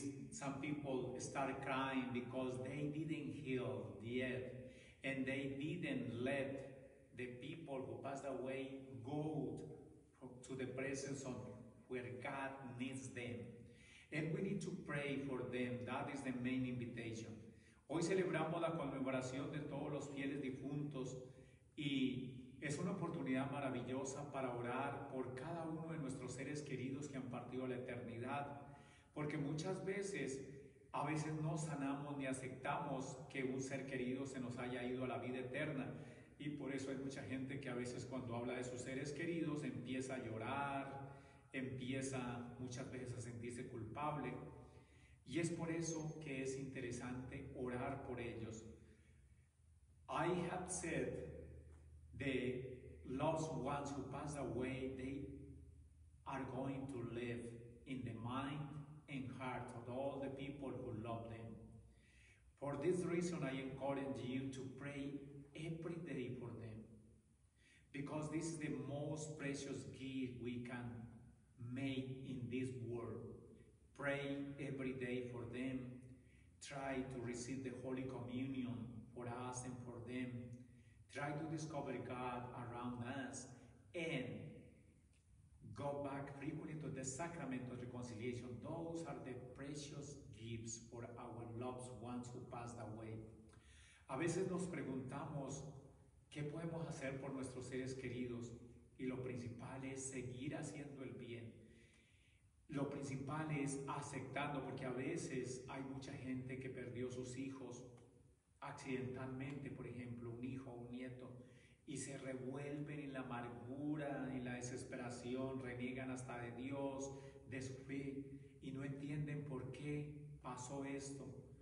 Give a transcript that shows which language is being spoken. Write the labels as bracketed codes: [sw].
[en] some people start crying because they didn't heal yet, and they didn't let the people who passed away go to the presence of where God needs them. And we need to pray for them. That is the main invitation. [es] Hoy celebramos la conmemoración de todos los fieles difuntos, y es una oportunidad maravillosa para orar por cada uno de nuestros seres queridos que han partido a la eternidad. Porque muchas veces, a veces no sanamos ni aceptamos que un ser querido se nos haya ido a la vida eterna. Y por eso hay mucha gente que a veces cuando habla de sus seres queridos empieza a llorar, empieza muchas veces a sentirse culpable. Y es por eso que es interesante orar por ellos. [en] I have said the loved ones who passed away, they are going to live in the mind and heart of all the people who love them. For this reason, I encourage you to pray every day for them, because this is the most precious gift we can make in this world. Pray every day for them. Try to receive the Holy Communion for us and for them. Try to discover God around us, and go back frequently to the sacrament of reconciliation. Those are the precious gifts for our loved ones who passed away. [es] A veces nos preguntamos qué podemos hacer por nuestros seres queridos, y lo principal es seguir haciendo el bien. Lo principal es aceptando, porque a veces hay mucha gente que perdió sus hijos accidentalmente, por ejemplo, un hijo o un nieto, y se revuelven en la amargura, en la desesperación, reniegan hasta de Dios, de su fe, y no entienden por qué pasó esto.